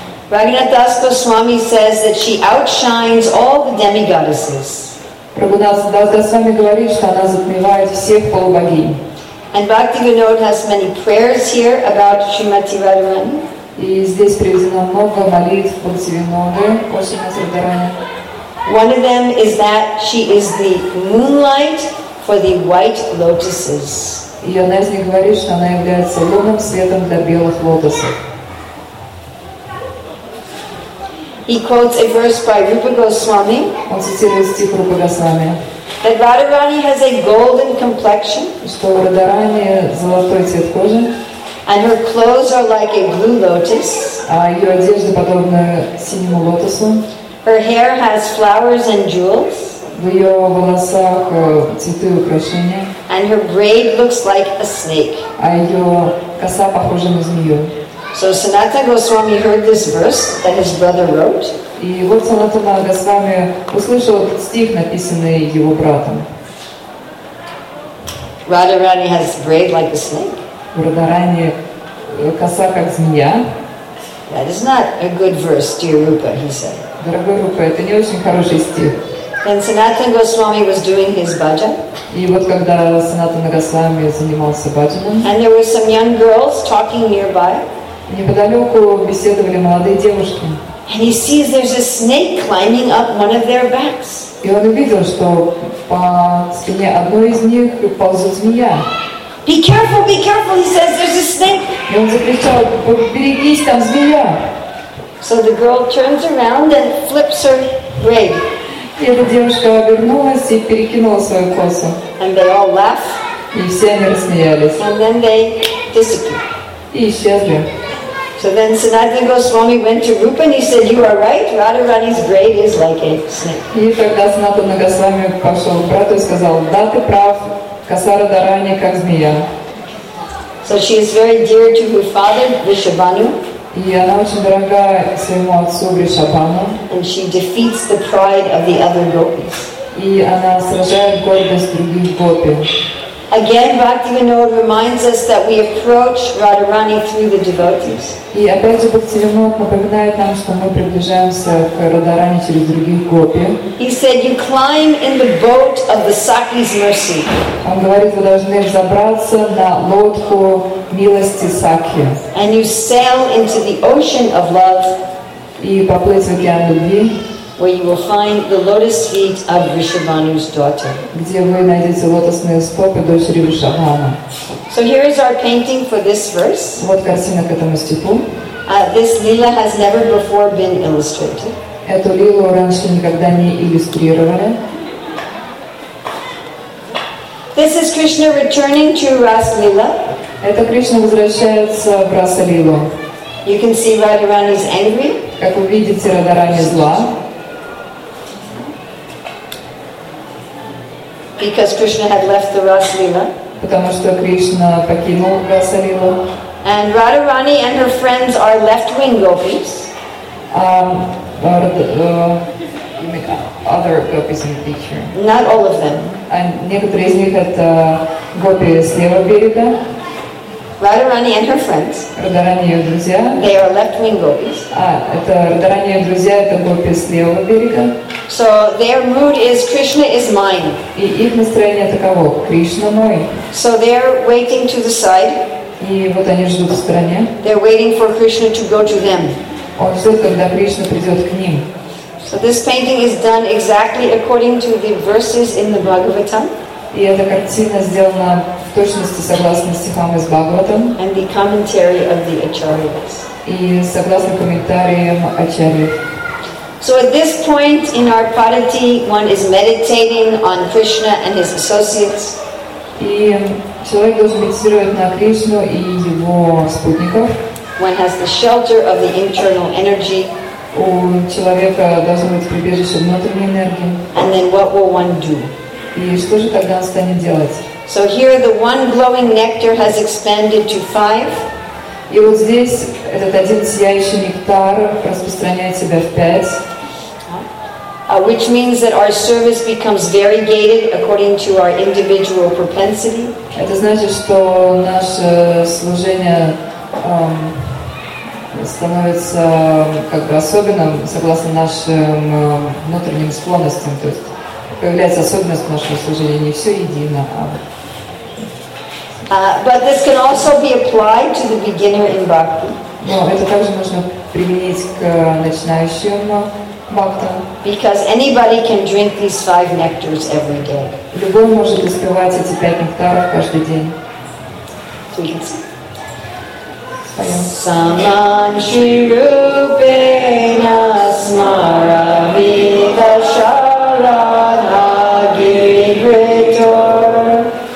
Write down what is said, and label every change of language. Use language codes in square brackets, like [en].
[en] Raghunath Das Goswami says that she outshines all the demigoddesses. [ru] Прабхупада Дас Госвами говорит, что она затмевает всех полубогинь. [en] And Bhaktivinoda has many prayers here about Srimati Radharani. [ru] И здесь приведено много молитв Бхактивинода о Шримати Радхаране. [en] One of them is that she is the moonlight for the white lotuses. [ru] Ионезник говорит, что она является лунным светом для белых лотосов. [en] He quotes a verse by Rupa Goswami. [ru] Он цитирует стих Рупы Госвами. [en] That Radharani has a golden complexion. [ru] Что Радхарани золотой цвет кожи. [en] And her clothes are like a blue lotus. [ru] А ее одежда подобна синему лотосу. [en] Her hair has flowers and jewels. [ru] В ее волосах цветы и украшения. [en] And her braid looks like a snake. [ru] А ее коса похожа на змею. [en] So Sanatana Goswami heard this verse that his brother wrote. [ru] И вот Санатана Госвами услышал стих, написанный его братом. [en] Radharani has braid like a snake. [ru] Радхарани коса как змея. [en] That is not a good verse, dear Rupa, he said. [ru] Дорогой Рупа, это не очень хороший стих. [en] And Sanatana Goswami was doing his bhajan. [ru] И вот когда Санатана Госвами занимался бхаджаном. [en] And there were some young girls talking nearby. [ru] Неподалеку беседовали молодые девушки. [en] And he sees there's a snake climbing up one of their backs. [ru] И он увидел, что по спине одной из них ползет змея. [en] Be careful, be careful, he says, there's a snake. [ru] И он закричал, берегись, там змея. [en] So the girl turns around and flips her braid. [ru] И эта девушка обернулась и перекинула свою косу. [en] And they all laugh. [ru] И все они рассмеялись. [en] And then they disappear. [ru] И исчезли. [en] So then Sanatana Goswami went to Rupa and he said, you are right, Radharani's braid is like a snake. [ru] И тогда Санатана Госвами пошел к брату и сказал, да, ты прав, коса Радхарани как змея. [en] So she is very dear to her father, Vrishabhanu. [ru] И она очень дорога своему отцу Вришабхану. [en] And she defeats the pride of the other gopis. [ru] И она сражает гордость других гопи. [en] Again, Bhaktivinoda reminds us that we approach Radharani through the devotees. [ru] И опять же Бхактивинода напоминает нам, что мы приближаемся к Радхарани через других гопи. [en] He said, "You climb in the boat of the Sakis' mercy." [ru] Он говорит, вы должны взобраться на лодку милости Сакхи. [en] And you sail into the ocean of love. [ru] И поплыть в океан любви. [en] Where you will find the lotus feet of Vrishabhanu's daughter. [ru] Где вы найдете лотосные стопы дочери Вришабхана. [en] So here is our painting for this verse. [ru] Вот картина к этому стиху. [en] This lila has never before been illustrated. [ru] Эту лилу раньше никогда не иллюстрировали. [en] This is Krishna returning to Ras Lila. [ru] Это Кришна возвращается в Раса Лилу. [en] You can see Radharani is angry. [ru] Как вы видите, Радхарани зла. [en] Because Krishna had left the Ras Lila. [ru] Потому что Кришна покинул Раса Лилу. [en] And Radharani and her friends are left-wing gopis. Other gopis in the picture. Not all of them. [ru] And некоторые из них это гопи с левого берега. [en] Radharani and her friends. [ru] Радхарани и ее друзья. [en] They are left-wing gopis. [ru] Это Радхарани и ее друзья это гопи с левого берега. [en] So their mood is Krishna is mine. [ru] И их настроение таково, Кришна мой. [en] So they're waiting to the side. [ru] И вот они ждут в стороне. [en] They're waiting for Krishna to go to them. [ru] Он ждет, когда Кришна придет к ним. [en] So this painting is done exactly according to the verses in the Bhagavatam. [ru] И эта картина сделана в точности согласно стихам из Бхагаватам. [en] And the commentary of the Acharyas. [ru] И согласно комментариям Ачарьев. [en] So at this point in our padati, one is meditating on Krishna and his associates. [ru] И человек должен медитировать на Кришну и его спутников. [en] One has the shelter of the internal energy. [ru] У человека должно быть прибежище внутренней энергии. [en] And then what will one do? [ru] И что же тогда он станет делать? [en] So here the one glowing nectar has expanded to five. [ru] И вот здесь этот один сияющий нектар распространяет себя в пять. [en] Which means that our service becomes variegated according to our individual propensity. [ru] Это значит, что наше служение становится как бы особенным согласно нашим внутренним склонностям. То есть появляется особенность нашего служения, не все едино. [en] But this can also be applied to the beginner in bhakti. [ru] Но это также можно применить к начинающим фактом. [en] Because anybody can drink these five nectars every day. [ru] Любой может испивать эти пять нектаров каждый день. [en] So we can sing. [sa] Saman Shri Rupena Smaravita Sharadha Giritor